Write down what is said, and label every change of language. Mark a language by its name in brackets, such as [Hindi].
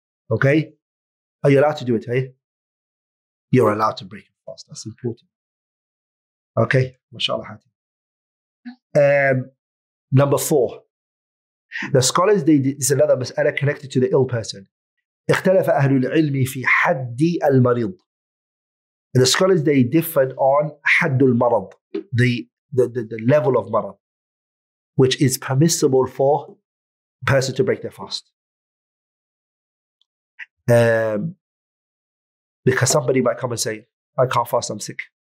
[English] Okay? Are you allowed to do it, eh? You're allowed to break your fast. That's important. Okay? MashaAllah. Number four. The scholars, this is another mas'ala connected to the ill person. [Arabic] اختلف أهل العلم في حد المريض. [English] The scholars, they differed on حد المرض, the level of marad, which is permissible for a person to break their fast. Because somebody might come and say, I can't fast, I'm sick.